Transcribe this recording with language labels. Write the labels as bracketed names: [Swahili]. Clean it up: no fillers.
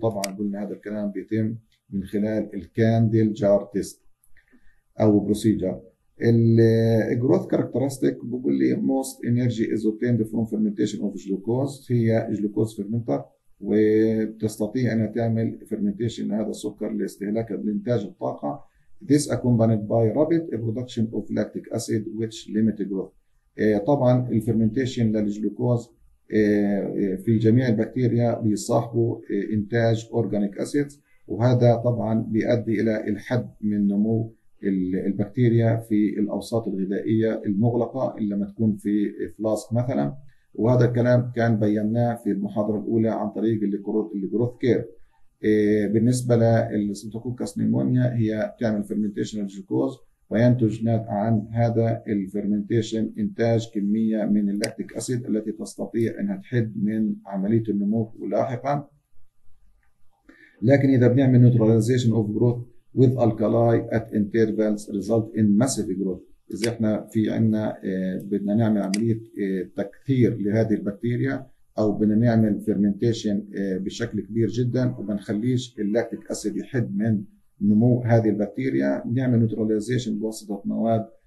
[Arabic] طبعا قلنا هذا الكلام بيتم من خلال الكاندل جار تيست أو بروسيجر. الجروث كاركترستيك بقول لي [English] most energy is obtained from fermentation of glucose, [Arabic] هي جلوكوز فيرمنتر وبتستطيع انها تعمل فيرمنتيشن لهذا السكر لاستهلاك لانتاج الطاقه. [English] This accompanied by rapid production of lactic acid which limit growth. [Arabic] طبعا الفيرمنتيشن للجلوكوز في جميع البكتيريا بيصاحبوا انتاج اورجانيك اسيد، وهذا طبعا بيؤدي الى الحد من نمو البكتيريا في الأوساط الغذائية المغلقة لما تكون في فلاسك مثلا. وهذا الكلام كان بيناه في المحاضرة الأولى عن طريق الجروث كير. بالنسبة للستوكوكس نيمونيا هي تعمل فيرمنتيشن للجلوكوز وينتج عن هذا الفيرمنتيشن إنتاج كمية من اللاكتيك أسيد التي تستطيع أنها تحد من عملية النمو لاحقا. لكن إذا بنعمل [English] نيوتراليزيشن أوف جروث with alkali at intervals result in massive growth. [Arabic] إذا إحنا في عنا بدنا نعمل عملية تكثير لهذه البكتيريا أو بدنا نعمل fermentation بشكل كبير جدا وبنخليش اللاكتيك أسيد يحد من نمو هذه البكتيريا، نعمل neutralization بواسطة مواد